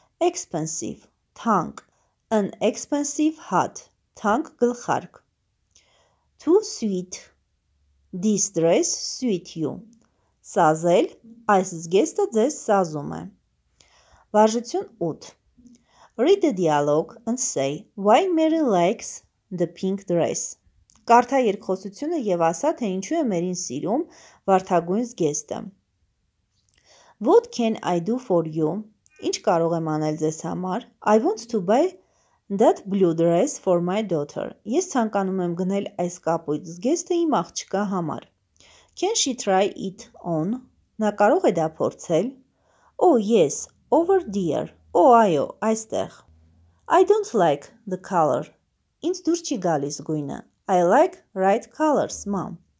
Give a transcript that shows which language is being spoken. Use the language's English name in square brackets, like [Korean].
[English] Expensive, թանկ, an expensive hat, [Armenian] թանկ գլխարկ. [English] Too sweet, this dress suit you, [Armenian] Սազել, այս զգեստը ձեզ սազում է։ Վարժություն 8. [English] Read the dialogue and say why Mary likes the pink dress. [Armenian] Կարդա երկխոսությունը եւ ասա, թե ինչու է Մերին սիրում վարդագույն զգեստը։ [English] What can I do for you? [Armenian] Ինչ կարող եմ անել ձեզ համար? [English] I want to buy that blue dress for my daughter. [Armenian] Ես ցանկանում եմ գնել այս կապույտ զգեստը իմ աղջկա համար։ [English] Can she try it on? [Armenian] Նա կարող է դա փորձել։ [English] Oh yes, over there. Oh, [Armenian] այո, այստեղ։ [English] I don't like the color. [Armenian] Ինձ դուր չի գալիս գույնը։ [English] I like bright colors, mom.